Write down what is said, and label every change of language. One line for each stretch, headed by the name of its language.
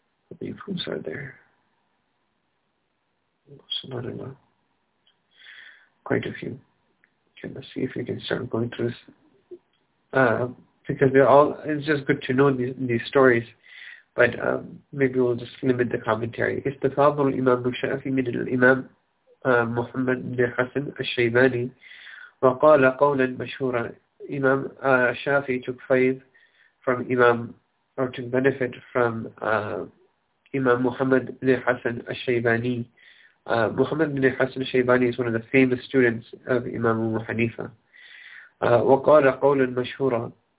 English: How many proofs are there? SubhanAllah. Quite a few. Okay, let's see if we can start going through this. Because they're all, it's just good to know these stories. But maybe we'll just limit the commentary.
Arabic: استفاض الإمام الشافعي من الإمام محمد بن حسن الشيباني وقال قولا مشهورا.
English: Imam Shafi took faith from Imam, or took benefit from Imam Muhammad bin Hassan al-Shaybani. Muhammad bin Hassan al-Shaybani is one of the famous students of Imam Abu Hanifa.
Arabic: وقال قولا مشهورا.